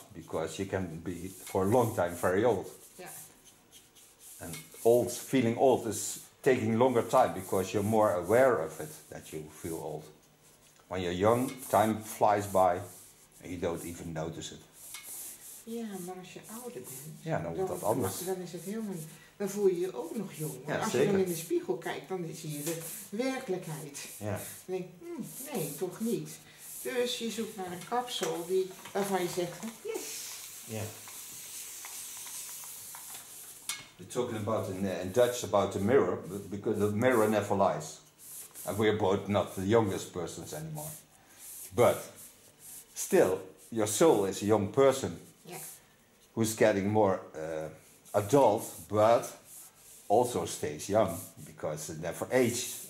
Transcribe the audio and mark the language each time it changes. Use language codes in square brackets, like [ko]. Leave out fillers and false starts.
[en] Because she can be for a long time very old. Yeah. And old, feeling old is taking longer time because you're more aware of it that you feel old. Yeah. When you're young, time flies by and you don't even notice it. [nl] Ja, maar als je ouder bent, ja, dan wordt dat anders. Dan is het helemaal, dan voel je je ook nog jong. Maar ja, als zeker. Je dan in de spiegel kijkt, dan zie je de werkelijkheid. Ja. Dan denk ik, nee, toch niet. Dus je zoekt naar een kapsel die, waarvan je zegt, yes. Ja. [en] We're talking about in Dutch about the mirror, because the mirror never lies. And we're both not the youngest persons anymore. But still, your soul is a young person. Yeah. Who's getting more adult, but also stays young, because it never ages.